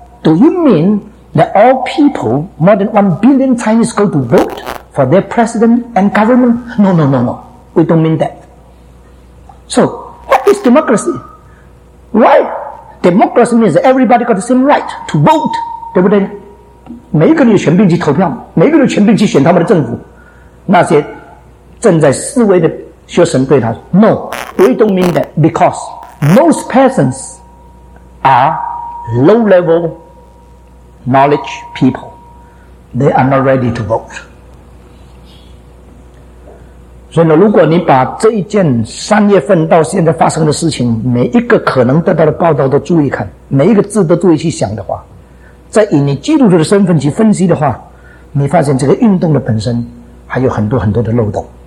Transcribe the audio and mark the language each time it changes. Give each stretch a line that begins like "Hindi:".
English: Do you mean that all people, more than 1 billion Chinese, go to vote for their president and government? No, we don't mean that. So, what is democracy? Why? Democracy means that everybody got the same right to vote,
Chinese: 对不对？每一个人有权柄去投票，每一个人有权柄去选他们的政府。那些正在示威的学生对他说
English: No, we don't mean that because most persons are low-level knowledge people. They are not ready to vote.
Chinese: 所以呢，如果你把这一件三月份到现在发生的事情每一个可能得到的报道都注意看，每一个字都注意去想的话，再以你基督徒的身份去分析的话，你发现这个运动的本身还有很多很多的漏洞。